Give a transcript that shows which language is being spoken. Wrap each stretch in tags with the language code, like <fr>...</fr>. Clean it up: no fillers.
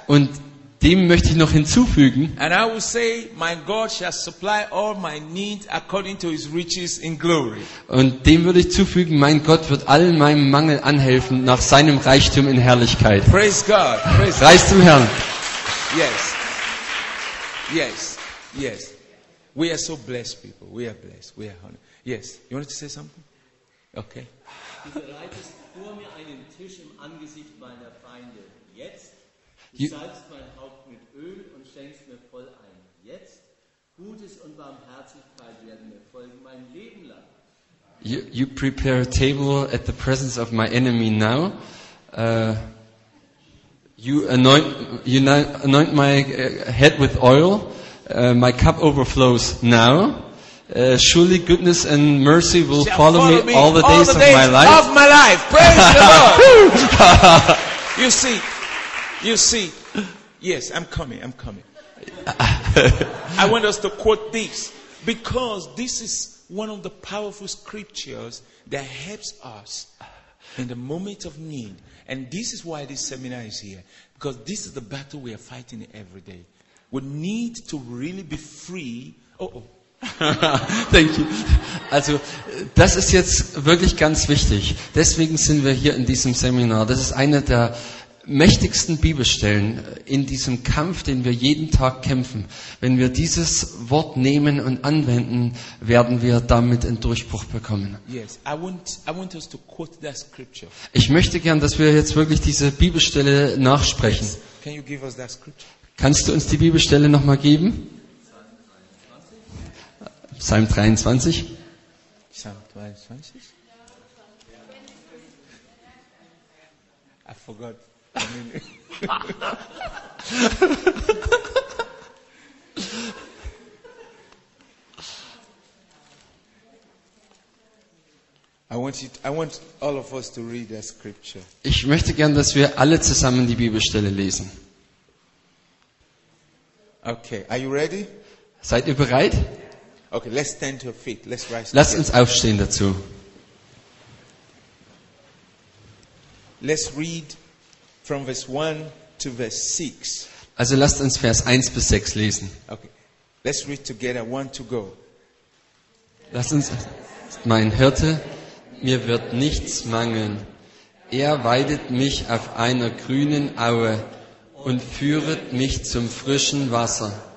<de>Und dem möchte ich noch hinzufügen.</de> <en>And I will say, my God shall supply all my needs according to His riches in glory.</en> <de>Und dem würde ich zufügen, mein Gott wird all meinem Mangel anhelfen nach seinem Reichtum in Herrlichkeit.</de> <en>Praise God.</en> <de>Preist dem Herrn.</de> <en>Yes. Yes. Yes. We are so blessed people. We are blessed. We are honored. Yes. You want to say something? Okay.</en> <de>Du bereitest vor mir einen Tisch im Angesicht meiner Feinde. Jetzt. Du salbst mein Haupt mit Öl und schenkst mir voll ein. Jetzt, Gutes und Barmherzigkeit werden mir folgen mein Leben lang.</de> <en>You prepare a table at the presence of my enemy now. You anoint my head with oil. My cup overflows now. Surely goodness and mercy will follow me all the days of my life. Praise the Lord. You see. Yes, I'm coming. I want us to quote this because this is one of the powerful scriptures that helps us in the moment of need. And this is why this seminar is here. Because this is the battle we are fighting every day. We need to really be free. Oh. Thank you.</en> <de>Also, das ist jetzt wirklich ganz wichtig. Deswegen sind wir hier in diesem Seminar. Das ist eine der mächtigsten Bibelstellen in diesem Kampf, den wir jeden Tag kämpfen. Wenn wir dieses Wort nehmen und anwenden, werden wir damit einen Durchbruch bekommen.</de> <en>Yes, I want us to quote that scripture.</en> <de>Ich möchte gern, dass wir jetzt wirklich diese Bibelstelle nachsprechen.</de> <en>Yes. Can you give us that scripture?</en> <de>Kannst du uns die Bibelstelle nochmal geben?</de> <en>Psalm 23. Psalm 23? I forgot. I want all of us to read that scripture.</en> <de>Ich möchte gern, dass wir alle zusammen die Bibelstelle lesen.</de> <en>Okay, are you ready?</en> <de>Seid ihr bereit?</de> <en>Okay, let's stand to our feet. Let's rise.</en> <de>Lass uns aufstehen dazu.</de> <en>Let's read from verse 1 to verse 6.</en> <de>Also lasst uns Vers 1 bis 6 lesen.</de> <en>Okay. Let's read together. One to go.</en> <de>Lasst uns. Mein Hirte, mir wird nichts mangeln. Er weidet mich auf einer grünen Aue und führet mich zum frischen Wasser.</de>